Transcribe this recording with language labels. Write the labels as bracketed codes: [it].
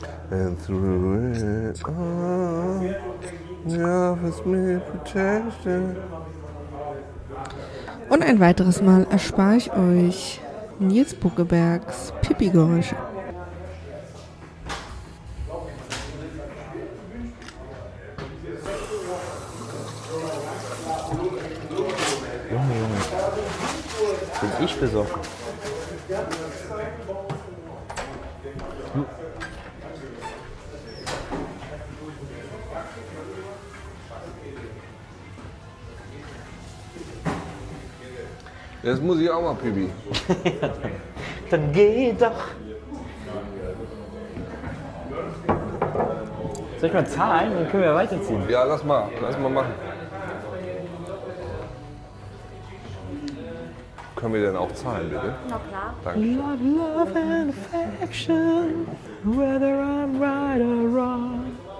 [en] And through it all, the office made protection. [de] Und ein weiteres Mal erspare ich euch Nils Buckebergs Pipi-Geräusche. Ich besorgen. Jetzt muss ich auch mal Pipi. dann geh doch. Soll ich mal zahlen, dann können wir weiterziehen. Ja, lass mal. Lass mal machen. Können wir denn auch zahlen, bitte? Na klar. Danke. [en] Love and affection, whether I'm right or wrong.